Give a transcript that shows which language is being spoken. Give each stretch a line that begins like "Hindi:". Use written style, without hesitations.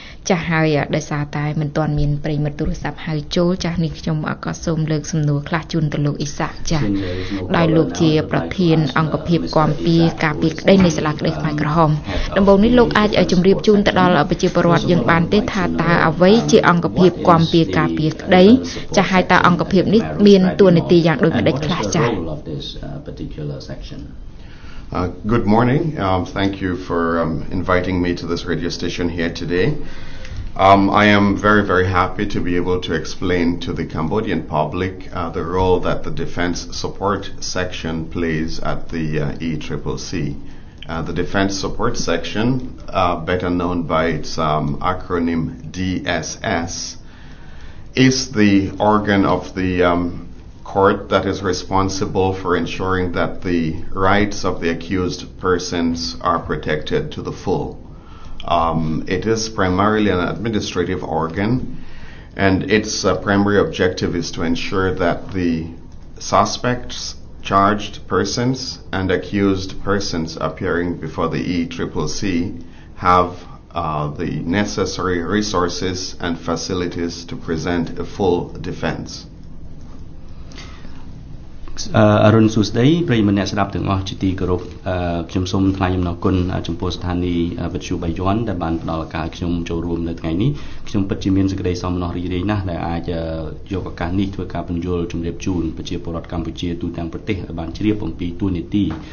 Khmer: ចាស់ហើយដោយសារតែមិនទាន់មានប្រិមត្តទូរស័ព្ទហៅចូលចាស់នេះខ្ញុំក៏សូមលើកសំណួរខ្លះជូនទៅលោកអ៊ីសាចាស់ដោយលោកជាប្រធានអង្គភាពគាំពារការពារក្តីនៃសាលាក្តីខ្មែរក្រហមដំបូងនេះលោកអាចជម្រាបជូនទៅដល់ប្រជាពលរដ្ឋយើងបានទេថាតើអ្វីជាអង្គភាពគាំពារការពារក្តីចាស់ហើយតើអង្គភាពនេះមានតួនាទីយ៉ាងដូចម្តេចខ្លះចាស់
English: good morning. Thank you for inviting me to this radio station here today. I am very, very happy to be able to explain to the Cambodian public the role that the Defense Support Section plays at the ECCC. The Defense Support Section, better known by its acronym DSS, is the organ of the court that is responsible for ensuring that the rights of the accused persons are protected to the full. It is primarily an administrative organ, and its primary objective is to ensure that the suspects, charged persons, and accused persons appearing before the ECCC have the necessary resources and facilities to present a full defense.
Khmer: អរុនសុស្ដីប្រិយមិត្តអ្នកស្ដាប់ទាំងអស់ជាទីគោរពខ្ញុំសូមថ្លែងអំណរគុណចំពោះស្ថានីយ៍វិទ្យុបាយ័នដែលបានផ្ដល់ឱកាសឲ្យខ្ញុំចូលរួមនៅថ្ងៃនេះខ្ញុំពិតជាមានសេចក្តីសោមនស្សរីករាយណាស់ដែលអាចយកឱកាសនេះធ្វើការពន្យល់ជម្រាបជូនប្រជាពលរដ្ឋកម្ពុជាទូទាំងប្រទេសឲ្យបានជ្រាបអំពីតួនាទី